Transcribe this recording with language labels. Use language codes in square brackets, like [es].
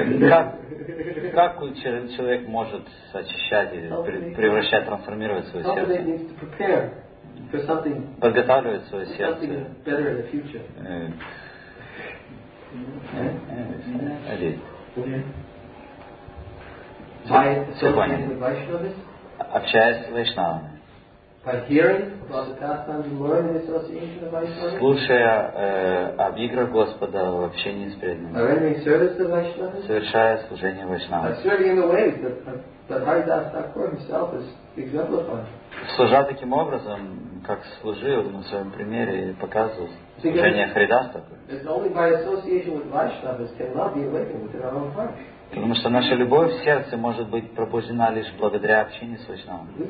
[ru] Как человек может очищать или превращать, трансформировать свое сердце? Подготавливать свое сердце. Общаясь с вайшнавами. [en] By hearing about the pastimes and learning in association of Vaishnavas. [ru] Слушая об играх Господа в общении с преданными. [en] By rendering service to Vaishnavas. [ru] Совершая служение Вайшнавам. [en] By serving in the ways that Haridas Thakur himself is exemplifying. [ru] Служа таким образом, как служил на своем примере и показывал служение Харидас Такур. [en] It's only by association with Vaishnavas can love be awakened within our own heart. [ru] Потому что наша любовь в сердце может быть пробуждена лишь благодаря общению с Вайшнавом.